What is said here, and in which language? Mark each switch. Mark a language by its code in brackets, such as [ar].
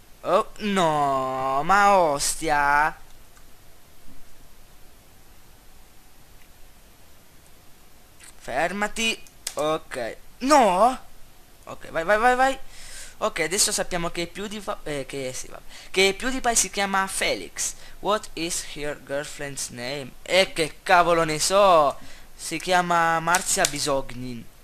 [it] Oh, no, ma ostia! Fermati. Ok. No. Ok, vai. Ok, adesso sappiamo che PewDiePie si chiama Felix. [en] What is her girlfriend's name? [it] E che cavolo ne so. Si chiama Marzia Bisognin.